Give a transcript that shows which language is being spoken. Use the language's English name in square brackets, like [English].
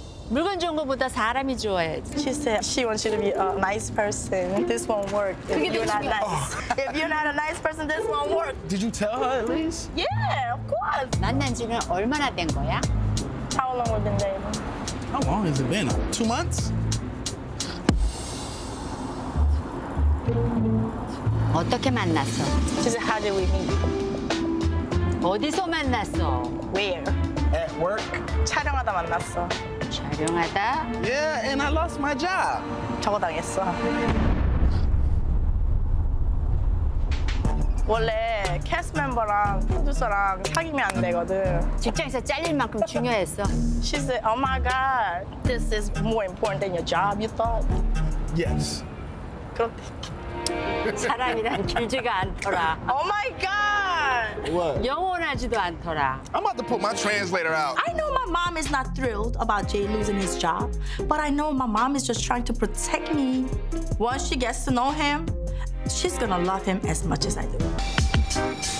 [Korean] 물건 좋은 것보다 사람이 좋아해. [English] She said she wants you to be a nice person. This won't work if you're not nice. Oh. If you're not a nice person, this won't work. Did you tell her at least? Yeah, of course. [Korean] 만난 지는 얼마나 된 거야? [English] How long have we been dating? How long has it been? 2 months? [Korean] 어떻게 만났어? [English] She said, how did we meet? [Korean] 어디서 만났어? [English] Where? At work. [Korean] 촬영하다 만났어. 촬영하다? [English] Yeah, and I lost my job. [Korean] 저거 당했어. 원래 캐스트 멤버랑 프로듀서랑 사귀면 안 되거든. 직장에서 잘릴 만큼 중요했어. [English] She said, oh my god, this is more important than your job, you thought? Yes. [Korean] 그렇대. 사람이란 길지가 않더라. [English] Oh my god! What? [Korean] 영원하지도 않더라. [English] I'm about to put my translator out. I know my mom is not thrilled about Jay losing his job, but I know my mom is just trying to protect me. Once she gets to know him, she's gonna love him as much as I do.